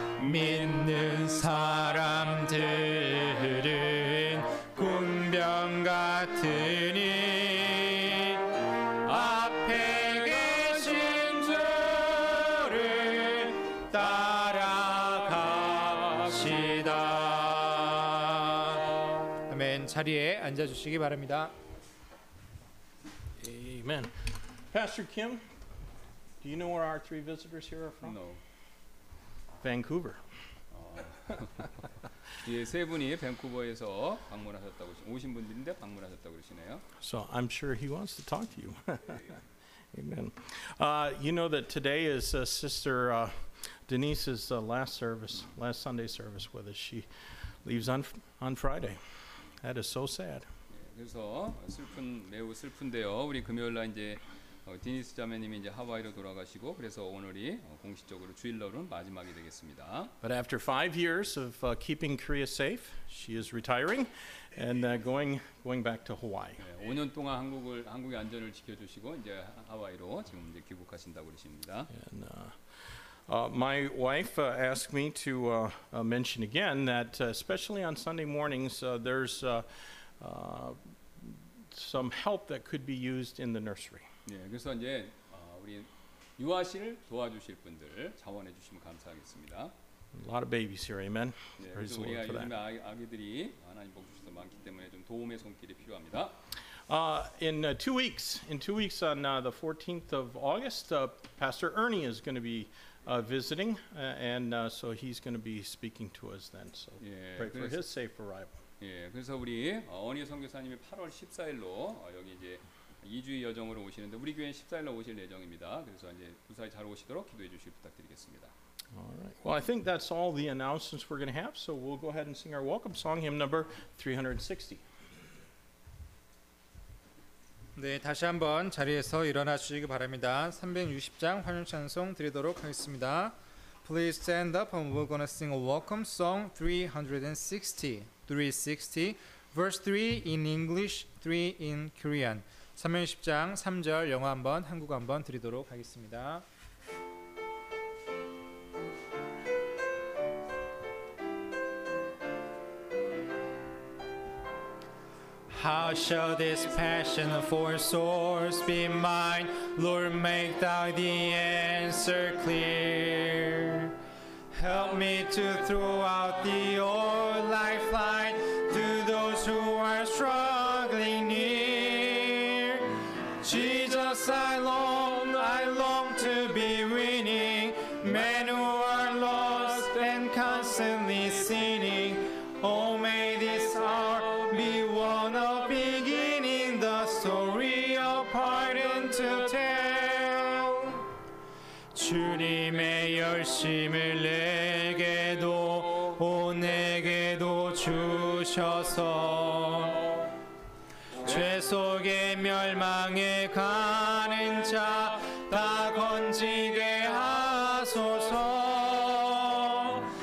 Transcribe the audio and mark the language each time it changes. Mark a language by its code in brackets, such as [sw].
[ko] 믿는 사람들은 군병 같으니 앞에 계신 주를 따라갑시다. 아멘. 자리에 앉아주시기 바랍니다. 아멘. [en] Pastor Kim, do you know where our three visitors here are from? No. Vancouver. [ko] 예, 세 분이 밴쿠버에서 방문하셨다고 오신 분들인데 방문하셨다고 그러시네요. [en] So I'm sure he wants to talk to you. Amen. You know that today is Sister Denise's last service, last Sunday service with us. She leaves on Friday. That is so sad. [ko] 예, 그래서 슬픈 매우 슬픈데요. 우리 금요일 날 이제 디니스 자매님이 이제 하와이로 돌아가시고 그래서 오늘이 공식적으로 주일날은 마지막이 되겠습니다. [en] But after 5 years of keeping Korea safe, she is retiring and going back to Hawaii. [ko] 네, 5년 동안 한국의 안전을 지켜주시고 이제 하와이로 지금 이제 귀국하신다고 그러십니다. [en] And, my wife asked me to mention again that especially on Sunday mornings there's some help that could be used in the nursery. [ko] 네, 그래서 이제 우리 유아실 도와주실 분들 자원해 주시면 감사하겠습니다. [en] A lot of babies here, amen. [ko] 네, 그래서 우리 요즘에 아기들이 하나님 복 주셔서 많기 때문에 좀 도움의 손길이 필요합니다. [en] In two weeks on the 14th of August, Pastor Ernie is going to be visiting, and so he's going to be speaking to us then. So [ko] 네, [en] pray for his safe arrival. [ko] 예, 그래서 우리 어니 선교사님이 8월 14일로 여기 이제 2주의 여정으로 오시는데 우리 교회 14일로 오실 예정입니다. 그래서 이제 무사히 잘 오시도록 기도해 주시길 부탁드리겠습니다. [en] All right. Well, I think that's all the announcements we're going to have, so we'll go ahead and sing our welcome song, hymn number 360. [ko] 네, 다시 한번 자리에서 일어나주시기 바랍니다. 360장 환영 찬송 드리도록 하겠습니다. [en] Please stand up and we're going to sing a welcome song, 360. Verse 3 in English, 3 in Korean. [ko] 360장 3절 영어 한번 한국어 한번 드리도록 하겠습니다. [en] How shall this passion for souls be mine? Lord, make thou the answer clear. Help me to throw out the old lifeline to those who are struggling near. Jesus, I long to be winning men who are lost and constantly sinning. Oh, may this hour be one of beginning, the story of pardon to tell. [ko] 주님의 열심을 내게도, 오 내게도 주셔서 죄 속에 멸망에 가는 자 다 건지게 하소서.